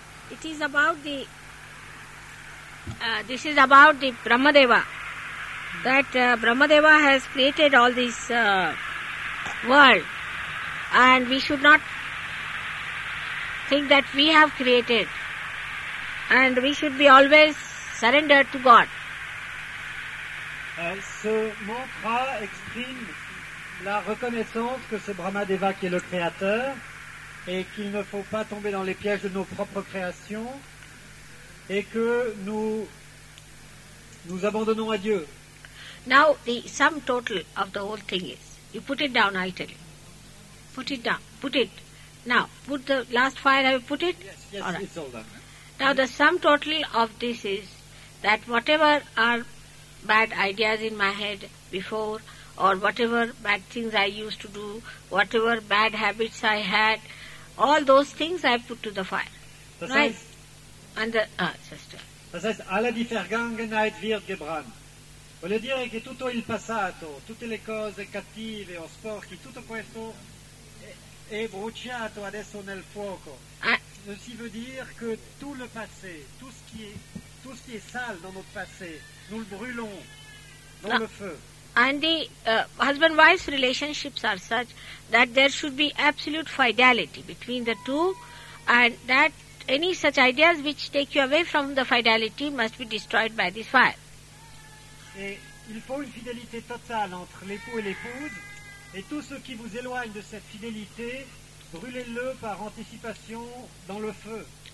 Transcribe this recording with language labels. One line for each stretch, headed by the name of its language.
English: It is about the this is about the Brahmadeva. That Brahmadeva has created all this world, and we should not think that we have created, and we should be always surrendered to God.
French: Ce mantra exprime la reconnaissance que c'est Brahmadeva qui est le créateur et qu'il ne faut pas tomber dans les pièges de nos propres créations et que nous abandonnons à Dieu.
English: Now the sum total of the whole thing is, you put it down, I tell you. Put it down, put it. Now, put the last fire, have you put it? Yes, it's all done. Now the sum total of this is that whatever are bad ideas in my head before, or whatever bad things I used to do, whatever bad habits I had, all those things I put to the fire.
German: Das heißt, alle die Vergangenheit wird gebrannt.
Italian: Vuol dire che tutto il passato, tutte le cose cattive o sporche, tutto questo è bruciato adesso nel fuoco.
French: Ceci veut dire que tout le passé, tout ce qui est sale dans notre passé, nous le brûlons dans le feu.
English: And the husband-wife relationships are such that there should be absolute fidelity between the two, and that any such ideas which take you away from the fidelity must be destroyed by this fire.
French: Et il faut une fidélité totale entre l'époux et l'épouse, et tout ce qui vous éloigne de cette fidélité, brûlez-le par anticipation dans le feu.